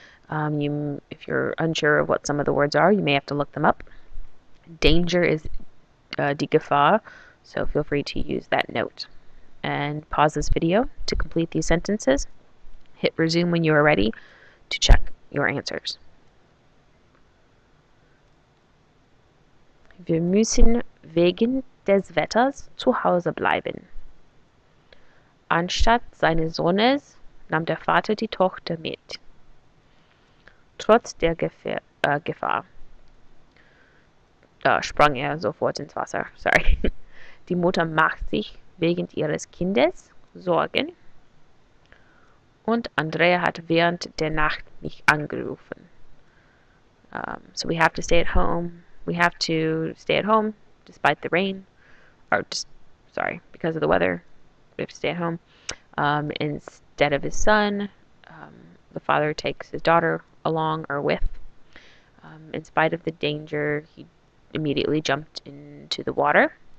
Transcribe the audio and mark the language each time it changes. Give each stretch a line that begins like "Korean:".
English: If you're unsure of what some of the words are, you may have to look them up. Danger is die Gefahr, so feel free to use that note. And pause this video to complete these sentences. Hit resume when you are ready to check your answers.
German: Wir müssen wegen des Wetters zu Hause bleiben. Anstatt seines Sohnes nahm der Vater die Tochter mit. Trotz der Gefahr da sprang er sofort ins Wasser. Sorry. Die Mutter macht sich wegen ihres Kindes Sorgen. Und Andrea hat während der Nacht mich angerufen.
English: So we have to stay at home. We have to stay at home despite the rain. Because of the weather. We have to stay at home. Instead of his son, the father takes his daughter along or with. In spite of the danger, he immediately jumped into the water.